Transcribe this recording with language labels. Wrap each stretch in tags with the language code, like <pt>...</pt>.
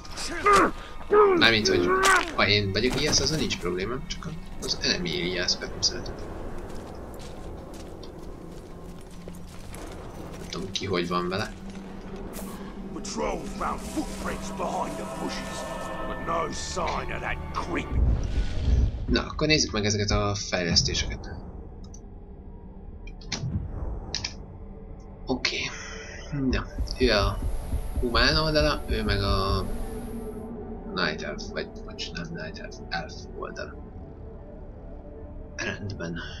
<en>I mean,</en> <hu>hogy ha én vagyok ilyesz, az nincs probléma, csak az enemy ilyeszbe nem szeretem. Nem tudom ki, hogy van vele.</hu> <en>Patrol found footprints behind the bushes, but no sign of that creep.</en> <hu>Na, akkor nézzük meg ezeket a fejlesztéseket. Oké. Na, ő a humán oldala, ő meg a Night Elf, vagy bocs, nem Night Elf, Elf oldala. Rendben.</hu>